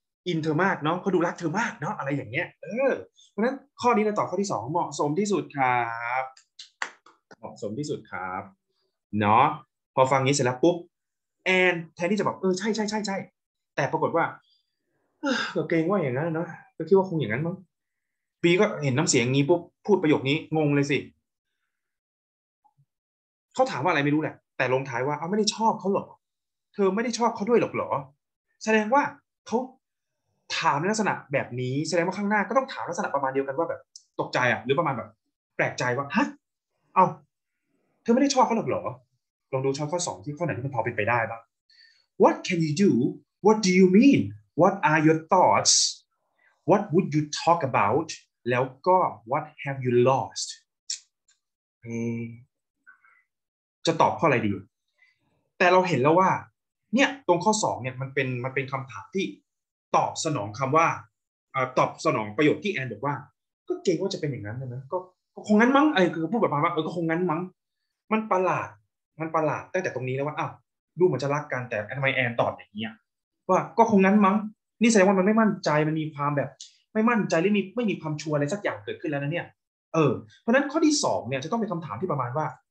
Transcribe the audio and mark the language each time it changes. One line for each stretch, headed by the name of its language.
Thai: in เธอมากเนาะเขาดูรักเธอมากเนาะอะไรอย่างเงี้ยเพราะนั้นข้อนี้เราตอบข้อที่2เหมาะสมที่สุดครับเหมาะสมที่สุดครับเนาะพอฟังงี้เสร็จแล้วปุ๊บแอนแทนที่จะบอกใช่ใช่ใช่ใช่แต่ปรากฏว่าก็เกรงว่าอย่างนั้นเนาะก็คิดว่าคงอย่างนั้นมั้งบีก็เห็นน้ำเสียงงี้ปุ๊บพูดประโยคนี้งงเลยสิเขาถามว่าอะไรไม่รู้แหละแต่ลงท้ายว่าเอาไม่ได้ชอบเขาหรอกเธอไม่ได้ชอบเขาด้วยหรอกหรอแสดงว่าเขา ถามลักษณะแบบนี้แสดงว่าข้างหน้าก็ต้องถามลักษณะประมาณเดียวกันว่าแบบตกใจอ่ะหรือประมาณแบบแปลกใจว่าฮะเอ้าเธอไม่ได้ชอบเขาหรอกเหรอลองดูช้อยข้อ2ที่ข้อไหนที่มันพอเป็นไปได้บ้าง
English: What can you do? What do you mean? What are your thoughts? What would you talk about?
Thai: แล้วก็
English: What have you lost?
Thai: จะตอบข้ออะไรดีแต่เราเห็นแล้วว่าเนี่ยตรงข้อ2เนี่ยมันเป็นคำถามที่ตอบสนองคำว่าตอบสนองประโยคที่แอนบอกว่าก็เกรงว่าจะเป็นอย่างนั้นนะก็คงงั้นมั้งไอ้คือพูดแบบประมาณว่าก็คงงั้นมั้งมันประหลาดตั้งแต่ตรงนี้แล้วว่าอ้าวดูเหมือนจะรักกันแต่ทำไมแอนตอบอย่างเงี้ยว่าก็คงงั้นมั้งนี่แสดงว่ามันไม่มั่นใจมันมีความแบบไม่มั่นใจหรือไม่มีความชัวร์อะไรสักอย่างเกิดขึ้นแล้วนะเนี่ยเพราะนั้นข้อที่2เนี่ยจะต้องเป็นคำถามที่ประมาณว่า